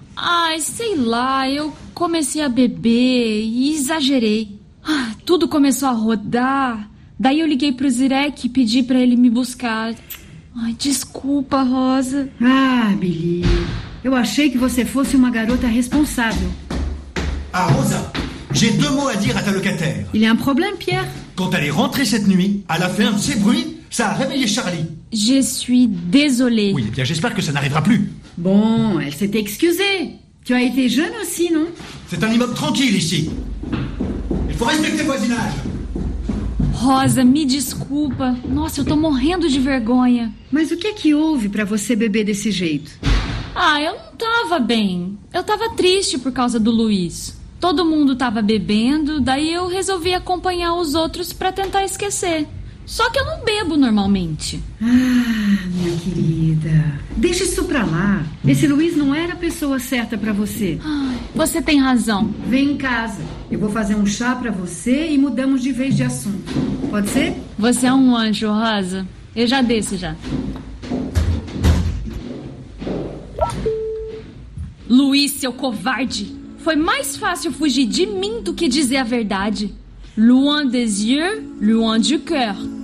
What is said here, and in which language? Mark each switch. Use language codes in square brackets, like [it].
[pt] Ai, sei lá, eu comecei a beber e exagerei. Ah, tudo começou a rodar. Daí eu liguei pro Zirek e pedi pra ele me buscar. Ai, desculpa, Rosa. Ah, Billy, eu achei que você fosse uma garota responsável. [fr] Ah, Rosa, j'ai deux mots à dire à ta locataire. Il y a un problème, Pierre? Quand elle est rentrée cette nuit, elle a fait un de ces bruits, ça a réveillé Charlie. Je suis désolée. Oui, bien, j'espère que ça n'arrivera plus. Bon, elle s'est excusée. Tu as été jeune aussi, non? C'est un immeuble tranquille ici. Il faut respecter le voisinage. [pt] Rosa, me desculpa. Nossa, eu tô morrendo de vergonha. Mas o que é que houve pra você beber desse jeito? Ah, eu não tava bem. Eu tava triste por causa do Luiz. Todo mundo tava bebendo, daí eu resolvi acompanhar os outros pra tentar esquecer. Só que eu não bebo normalmente. Ah, minha querida. Deixa isso pra lá. Esse Luiz não era a pessoa certa pra você. Ai, você tem razão. Vem em casa. Eu vou fazer um chá pra você e mudamos de vez de assunto. Pode ser? Você é um anjo, Rosa. [fr] Et [pt] já desce, já. Luiz, seu covarde! Foi mais fácil fugir de mim do que dizer a verdade. [fr] Loin des yeux, loin du cœur.